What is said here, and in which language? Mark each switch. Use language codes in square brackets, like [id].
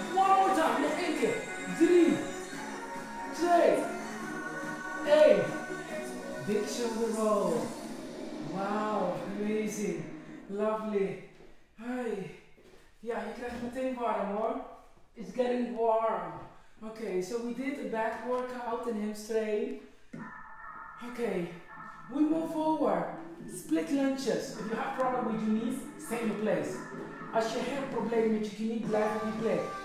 [en] One more time, [nl] nog 1 keer. [en] 3, 2, 1. Big shoulder roll. Wow, amazing. Lovely. Hey. [nl] Ja, je krijgt meteen warm hoor. [en] It's getting warm. Okay, so we did a back workout and hamstring. Okay, we move forward. Split lunges. If you have problem with your knees, stay in place. [nl] Als je hebt problemen met je knie, blijf in je plek.